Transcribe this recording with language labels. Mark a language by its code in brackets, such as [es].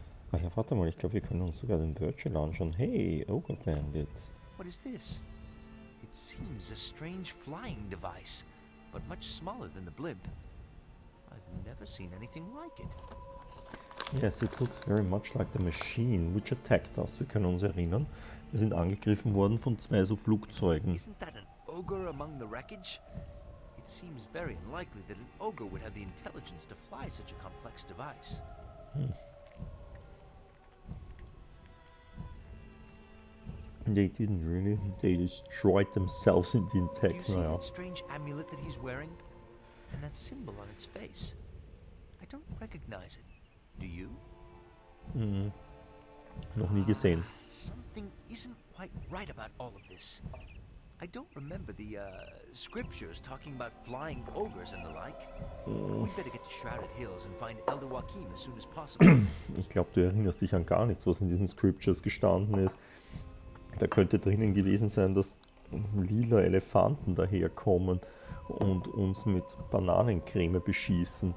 [de] Ach ja, warte mal. Ich glaube, wir können uns sogar den Virgil anschauen. [en] Hey, Ogre Bandit. What is this? It seems a strange flying device, but much smaller than the blimp. I've never seen anything like it. Yes, it looks very much like the machine which attacked us. [de] Wir können uns erinnern, wir sind angegriffen worden von zwei so Flugzeugen. [en] Isn't that an ogre among the wreckage? It seems very unlikely that an ogre would have the intelligence to fly such a complex device. Hmm. They didn't really. They destroyed themselves in the attack. Do you see that strange amulet that he's wearing? And that symbol on its face? I don't recognize it. Do you? [de] Noch nie gesehen. [en] Something isn't quite right about all of this. I don't remember the scriptures talking about flying ogres and the like. We better get to Shrouded Hills and find Elder Joaquim as soon as possible. [de] Ich glaube, du erinnerst dich an gar nichts, was in diesen Scriptures gestanden ist. Da könnte drinnen gewesen sein, dass lila Elefanten daherkommen und uns mit Bananencreme beschießen.